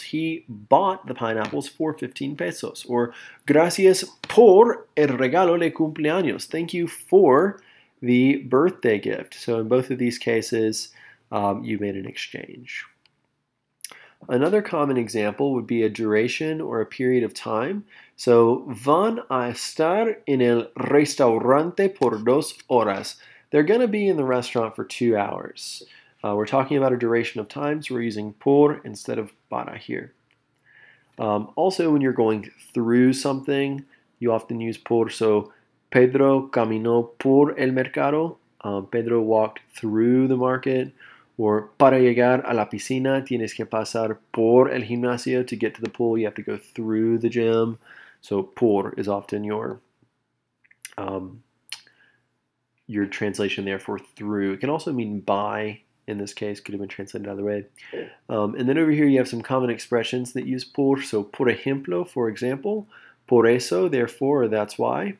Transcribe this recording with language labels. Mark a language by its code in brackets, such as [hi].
[en] He bought the pineapples for 15 pesos. Or, [es] gracias por el regalo de cumpleaños. [en] Thank you for the birthday gift. So, in both of these cases, you made an exchange. Another common example would be a duration or a period of time. [es] So, van a estar en el restaurante por dos horas. [en] They're going to be in the restaurant for 2 hours. We're talking about a duration of time, so we're using por instead of para here. Also, when you're going through something, you often use por. [es] So, Pedro caminó por el mercado. [en] Pedro walked through the market. [es] Or, para llegar a la piscina, tienes que pasar por el gimnasio. [en] To get to the pool, you have to go through the gym. So, por is often your translation there for through. It can also mean by, in this case, could have been translated either way. And then over here, you have some common expressions that use por. So, por ejemplo, for example, por eso, therefore, that's why.